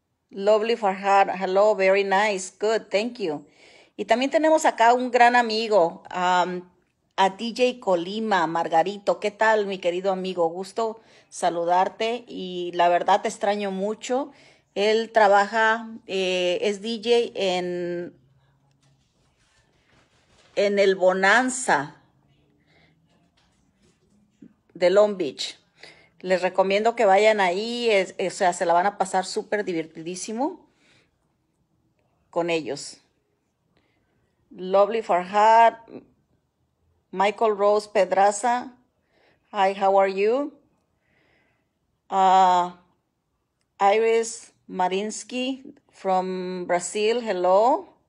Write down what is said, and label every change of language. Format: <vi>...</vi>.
<en>Lovely Farhad, hello, very nice, good, thank you.</en> <es>Y también tenemos acá un gran amigo, a DJ Colima, Margarito, ¿qué tal, mi querido amigo? Gusto saludarte y la verdad te extraño mucho. Él trabaja, es DJ en el Bonanza de Long Beach. Les recomiendo que vayan ahí, o sea, se la van a pasar súper divertidísimo con ellos.</es> <en>Lovely Farhad, Michael Rose Pedraza, hi, how are you? Iris Marinsky from Brazil, hello.</en>